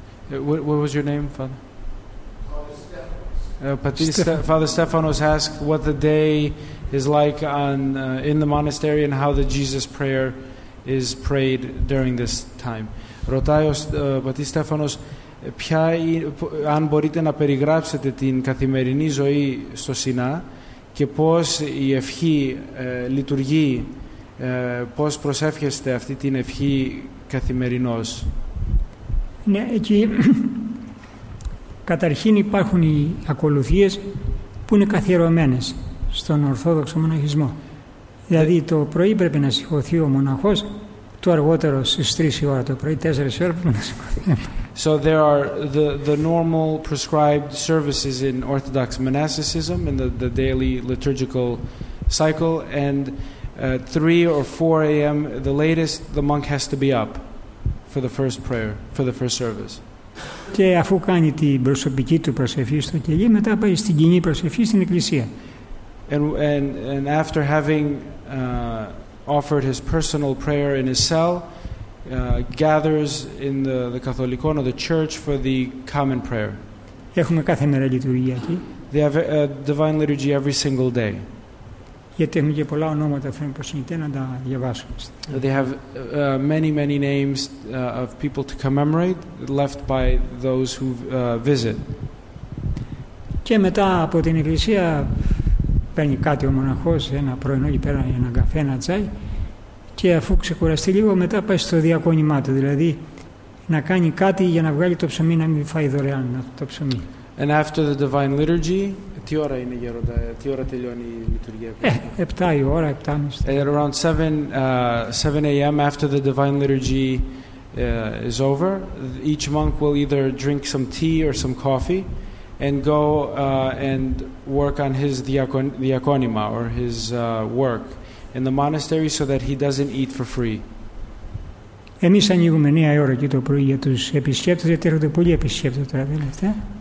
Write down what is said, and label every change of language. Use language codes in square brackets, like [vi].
[en] What was your name, Father? Father Stephanos asked what the day is like on in the monastery and how the Jesus prayer is prayed during this time. [el] Ρωτάει ο πατή Στέφανος ποια, αν μπορείτε να περιγράψετε την καθημερινή ζωή στο Σινά και πώς η ευχή λειτουργεί, πώς προσεύχεστε αυτή την ευχή καθημερινώς. Ναι, εκεί καταρχήν υπάρχουν οι ακολουθίες που είναι καθιερωμένες στον Ορθόδοξο μοναχισμό. Δηλαδή το πρωί πρέπει να σηκωθεί ο μοναχός, το αργότερο στις 3 η ώρα το πρωί, 4 η ώρα πρέπει να σηκωθεί. [en] So there are the normal prescribed services in Orthodox monasticism in the daily liturgical cycle, and at 3 or 4 a.m. the latest, the monk has to be up for the first prayer, for the first service. [el] Και αφού κάνει την προσωπική του προσευχή στο κελί, μετά πάει στην κοινή προσευχή στην εκκλησία. [en] And after having offered his personal prayer in his cell, gathers in the Catholicon or the church for the common prayer. [el] Έχουμε κάθε μέρα λειτουργία εκεί. [en] They have a divine liturgy every single day. [el] Γιατί έχουμε και πολλά ονόματα προσυνητέ να τα διαβάσουμε. [en] They have many, many names of people to commemorate left by those who visit. [el] Και μετά από την εκκλησία παίρνει κάτι ο μοναχός, ένα πρωινό εκεί πέρα, ένα καφέ, ένα τσάι. Και αφού ξεκουραστεί λίγο, μετά πάει στο διακόνημά του, δηλαδή να κάνει κάτι για να βγάλει το ψωμί, να μην φάει δωρεάν το ψωμί. [en] And after the Divine Liturgy, [el] τι ώρα είναι, Γέροντα, τι ώρα τελειώνει η λειτουργία? 7 η ώρα, 7 μισή. [en] At around 7 a.m. after the Divine Liturgy is over, each monk will either drink some tea or some coffee and go and work on his διακόνημα or his work in the monastery so that he doesn't eat for free. [el] Εμείς ανοίγουμε 9 ώρα και το πρωί για τους επισκέπτες, γιατί έρχονται πολλοί επισκέπτες τώρα τελευταία.